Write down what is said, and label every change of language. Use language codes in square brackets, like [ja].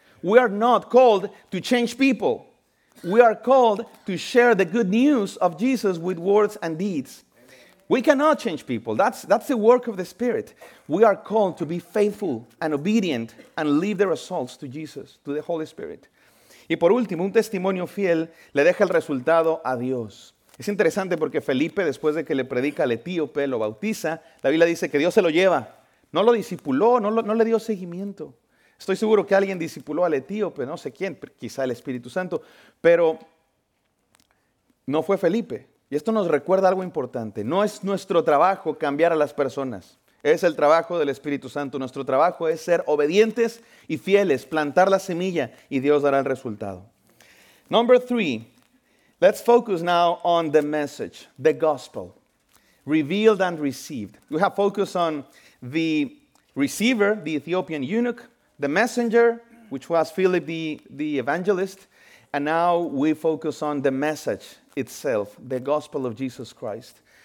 [en] We are not called to change people. We are called to share the good news of Jesus with words and deeds. We cannot change people. That's the work of the Spirit. We are called to be faithful and obedient and leave the results to Jesus, to the Holy Spirit. [es] Y por último, un testimonio fiel le deja el resultado a Dios. Es interesante porque Felipe, después de que le predica al etíope, lo bautiza, la Biblia dice que Dios se lo lleva. No lo discipuló, no le dio seguimiento. Estoy seguro que alguien discipuló al etíope, no sé quién, quizá el Espíritu Santo, pero no fue Felipe. Y esto nos recuerda algo importante. No es nuestro trabajo cambiar a las personas. Es el trabajo del Espíritu Santo. Nuestro trabajo es ser obedientes y fieles, plantar la semilla y Dios dará el resultado. [en] Number three. Let's focus now on the message, the gospel, revealed and received. We have focused on the receiver, the Ethiopian eunuch, the messenger, which was Philip the evangelist, and now we focus on the message itself, the gospel of Jesus Christ.